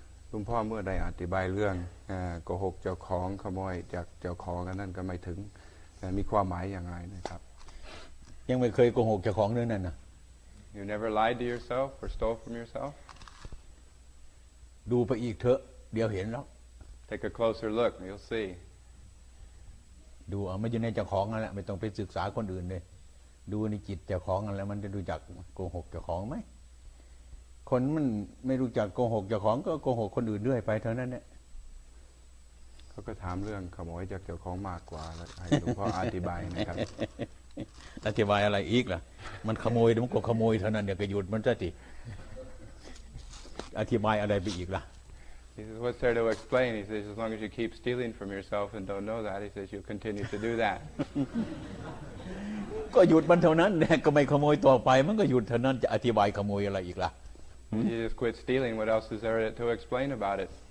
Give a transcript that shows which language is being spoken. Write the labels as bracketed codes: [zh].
[th] คุณพ่อเมื่อได้อธิบายเรื่องโกหกเจ้าของขโมยจากเจ้าของนั่นก็ไม่ถึงมีความหมายอย่างไรนะครับ ยังไม่เคยโกหกเจ้าของเรื่องนั้นนะ [en] You never lied to yourself or stole from yourself [th] ดูไปอีกเถอะเดี๋ยวเห็นหรอก [en] Take a closer look you'll see [th] ดูเอาไม่อยู่ในเจ้าของนั่นแหละไม่ต้องไปศึกษาคนอื่นเลยดูในจิตเจ้าของนั่นแล้วมันจะรู้จักโกหกเจ้าของไหมคนมันไม่รู้จักโกหกเจ้าของก็โกหกคนอื่นด้วยไปเท่านั้นแหละ เขาก็ถามเรื่องขโมยจากเจ้าของมากกว่าแล้วให้หลวงพ่ออธิบายนะครับ อธิบายอะไรอีกล่ะมันขโมยมันก็ขโมยเท่านั้นเดี๋ยวก็หยุดมันซะสิอธิบายอะไรไปอีกล่ะ [en] He says, what's there to explain? He says, as long as you keep stealing from yourself and don't know that, he says, you'll continue to do that. [th] ก็หยุดมันเท่านั้นแหละก็ไม่ขโมยต่อไปมันก็หยุดเท่านั้นจะอธิบายขโมยอะไรอีกล่ะ [en] You just quit stealing. What else is there to explain about it?